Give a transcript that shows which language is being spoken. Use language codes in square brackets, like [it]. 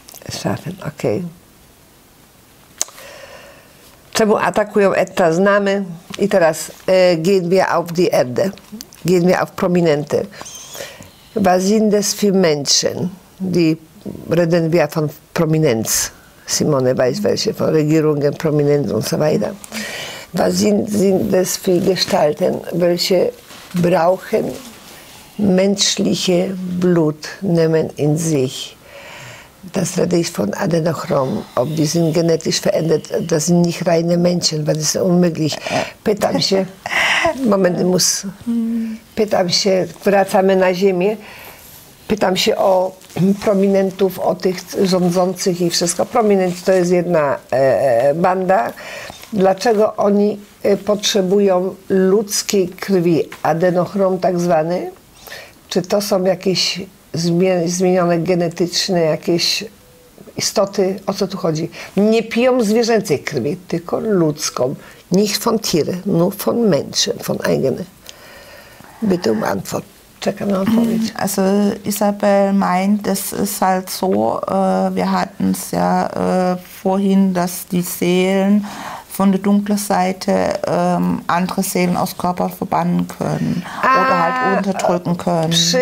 [de] Schaffen, okej. Okay. [pl] Czemu atakują Eta znamy? [de] I teraz gehen wir auf die Erde. Gehen wir auf Prominente. Was sind das für Menschen? Die reden wir von Prominenz. Simone weiß welche, von Regierungen, Prominenz und so weiter. Was sind das für Gestalten? Welche brauchen menschliche Blut nehmen in sich. Das rede ich von Adenochrom. Ob die sind genetisch verändert, das sind nicht reine Menschen, weil das ist unmöglich. [pl] Pytam się, moment, muss. Pytam się, wracamy na Ziemię. Pytam się o prominentów, o tych rządzących i wszystko. Prominent to jest jedna banda. Dlaczego oni potrzebują ludzkiej krwi, Adenochrom tak zwany? Czy to są jakieś zmienione genetyczne, jakieś istoty, o co tu chodzi, nie piją zwierzęcej krwi, tylko ludzką. [de] Nicht von Tiere, nur von Menschen, von eigene. Bitte um Antwort. [pl] Czekam na odpowiedź. [de] Also Isabel meint, das ist halt so, wir hatten es ja vorhin, dass die Seelen von der dunklen Seite andere Seelen aus Körper verbannen können oder halt unterdrücken können.